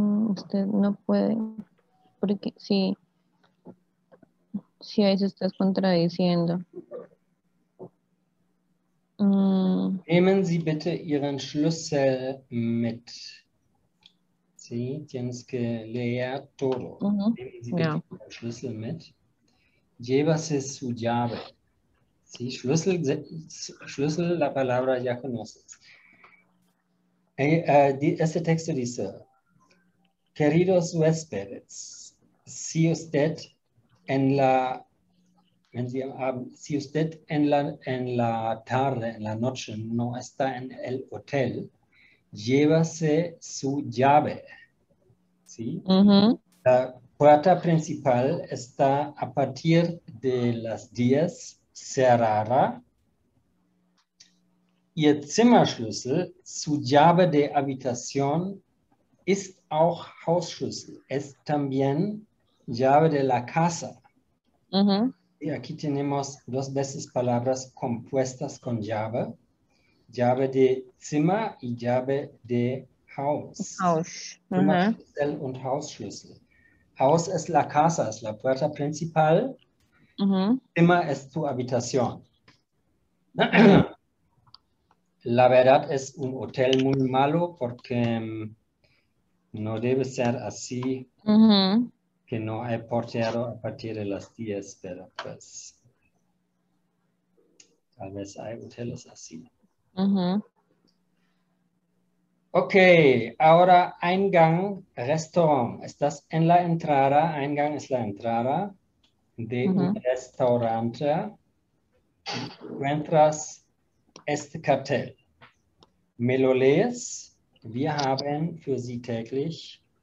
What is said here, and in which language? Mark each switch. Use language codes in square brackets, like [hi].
[es] Usted no puede, porque si ahí se estás contradiciendo. [de] Nehmen Sie bitte Ihren Schlüssel mit. [es] Sí, tienes que leer todo. [de] Uh-huh. Nehmen Sie bitte Ihren Schlüssel mit. [es] Llévase su llave. Sí, Schlüssel, la palabra ya conoces. Este texto dice, queridos huéspedes, si usted en la tarde, en la noche, no está en el hotel, llévase su llave. ¿Sí? Uh-huh. La puerta principal está a partir de las 10. Cerrada. Ihr Zimmerschlüssel, su llave de habitación, ist auch Hausschlüssel. Es también llave de la casa. Uh-huh. Y aquí tenemos dos veces palabras compuestas con llave. Llave de Zimmer y llave de Haus. [de] Haus. Uh-huh. Zimmerschlüssel und Hausschlüssel. [es] Haus es la casa, es la puerta principal. Uh-huh. Zimmer es tu habitación. La verdad es un hotel muy malo porque no debe ser así, uh-huh. que no hay portero a partir de las 10, pero pues tal vez hay hoteles así. Uh-huh. Ok, ahora Eingang, Restaurant. Estás en la entrada, Eingang es la entrada. De uh-huh. un restaurante encuentras este cartel. ¿Me lo lees? [de] Wir haben für Sie täglich.